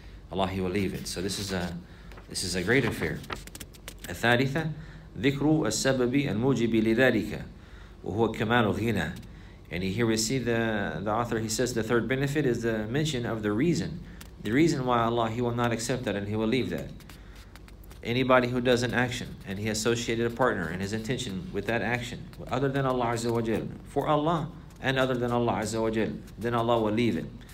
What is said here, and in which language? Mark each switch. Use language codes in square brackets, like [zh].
[en] Allah will leave it. So this is a great affair. [ar] الثالثة ذكر السبب الموجب لذلك وهو كمال غنى. [en] And here we see the author, he says the third benefit is the mention of the reason why Allah, He will not accept that and He will leave that. Anybody who does an action and he associated a partner and his intention with that action other than Allah Azza wa Jal, for Allah and other than Allah Azza wa Jal, then Allah will leave it.